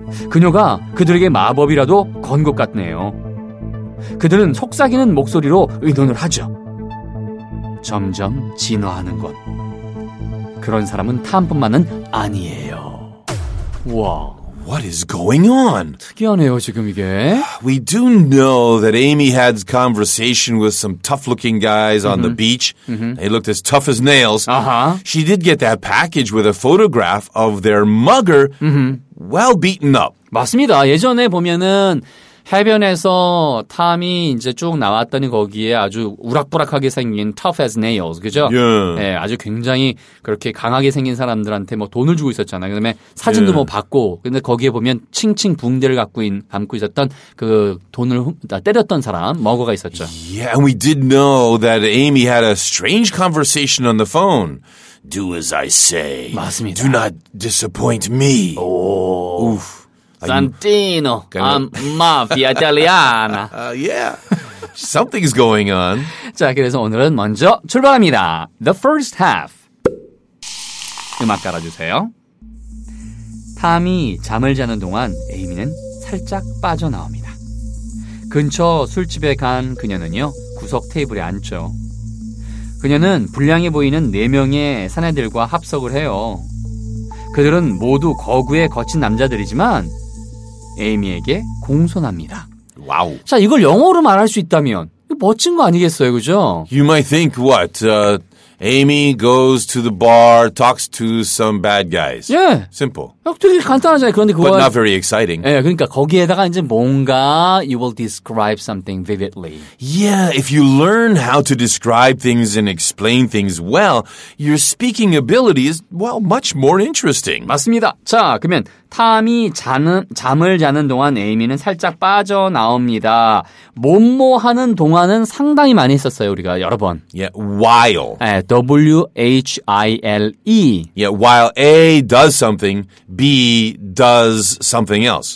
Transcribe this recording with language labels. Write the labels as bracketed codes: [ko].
[ko] 그녀가 그들에게 마법이라도 건 것 같네요. 그들은 속삭이는 목소리로 의논을 하죠. 점점 진화하는 것. 그런 사람은 탐뿐만은 아니에요. 우와. [en] What is going on? [ko] 특이하네요, 지금 이게. [en] We do know that Amy had conversation with some tough-looking guys on the beach. They looked as tough as nails. She did get that package with a photograph of their mugger well beaten up. [ko] 맞습니다. 예전에 보면은 해변에서 탐이 이제 쭉 나왔더니 거기에 아주 우락부락하게 생긴 [en] tough as nails, [ko] 그죠? 예. Yeah. 예, 아주 굉장히 그렇게 강하게 생긴 사람들한테 뭐 돈을 주고 있었잖아요. 그 다음에 사진도 yeah. 뭐 받고, 근데 거기에 보면 칭칭 붕대를 감고 있었던 그 돈을 때렸던 사람, 머거가 있었죠. [en] Yeah, and we did know that Amy had a strange conversation on the phone. Do as I say. [ko] 맞습니다. [en] Do not disappoint me. 오. Oof. Santino, I'm [it] mafia italiana. [en] Yeah, something's going on. [ko] 자, 그래서 오늘은 먼저 출발합니다. [en] The first half. [ko] 음악 깔아주세요. 탐이 잠을 자는 동안 에이미는 살짝 빠져나옵니다. 근처 술집에 간 그녀는요, 구석 테이블에 앉죠. 그녀는 불량해 보이는 4명의 사내들과 합석을 해요. 그들은 모두 거구의 거친 남자들이지만 에이미에게 공손합니다. 와우. 자, 이걸 영어로 말할 수 있다면 멋진 거 아니겠어요, 그죠? [en] You might think what? Amy goes to the bar, talks to some bad guys. Yeah. Simple. [ko] 되게 간단하잖아요. 그런데 그거 [en] But not very exciting. [ko] 예, 그러니까 거기에다가 이제 뭔가 [en] you will describe something vividly. Yeah, if you learn how to describe things and explain things well, your speaking ability is, well, much more interesting. [ko] 맞습니다. 자, 그러면 탐이 잠을 자는 동안 에이미는 살짝 빠져나옵니다. 뭐뭐 하는 동안은 상당히 많이 했었어요, 우리가 여러 번. [en] Yeah, while. W-H-I-L-E. Yeah, while A does something, B does something else.